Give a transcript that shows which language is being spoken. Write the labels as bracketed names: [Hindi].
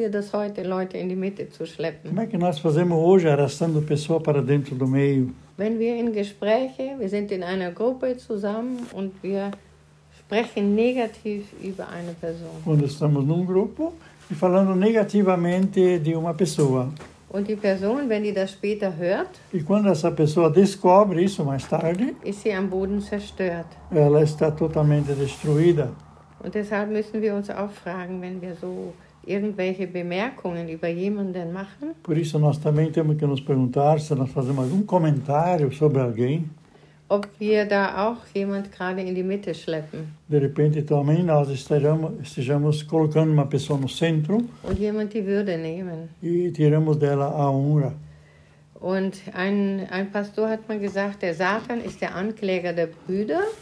[Portuguese] Como é que nós fazemos hoje arrastando a pessoa para dentro do meio? [German] Wenn wir in Gespräche, wir sind in einer Gruppe zusammen und wir sprechen negativ über eine Person. [Portuguese] Quando estamos num grupo e falando negativamente de uma pessoa. [German] Und die Person, wenn die das später hört, [Portuguese] e quando essa pessoa descobre isso mais tarde, [German] ist sie am Boden zerstört. [Portuguese] Ela está totalmente destruída. [German] Und deshalb müssen wir uns auch fragen, wenn wir so irgendwelche Bemerkungen über jemanden machen. [Portuguese] Por isso nós também temos que nos perguntar, se nós fazemos algum comentário sobre alguém, [German] ob wir da auch jemand gerade in die Mitte schleppen. [Portuguese] De repente também nós estejamos colocando uma pessoa no centro [German] und jemand die Würde nehmen. [Portuguese] E tiramos dela a honra. [German] Und ein Pastor hat mal gesagt, der Satan ist der Ankläger der Brüder.